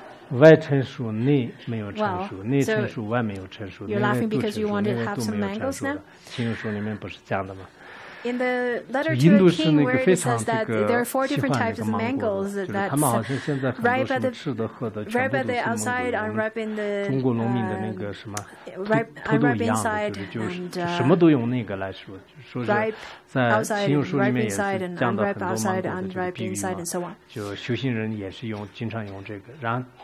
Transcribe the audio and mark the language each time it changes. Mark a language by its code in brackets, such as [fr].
[zh] 外成熟，内没有成熟；内成熟，外没有成熟。 [en] You're laughing because you wanted to have some mangoes now. [zh] 经书里面不是讲的吗 [en] ？In the letter to the king, where it says that there are four different types of mangoes that [zh] 他们好像现在很多什么吃的喝的全部都是芒果。中国农民的那个什么土豆一样的，就是什么都用那个来说，就说是。在行有书里面也是讲到很多芒果的比喻嘛，就修行人也是经常用这个，然后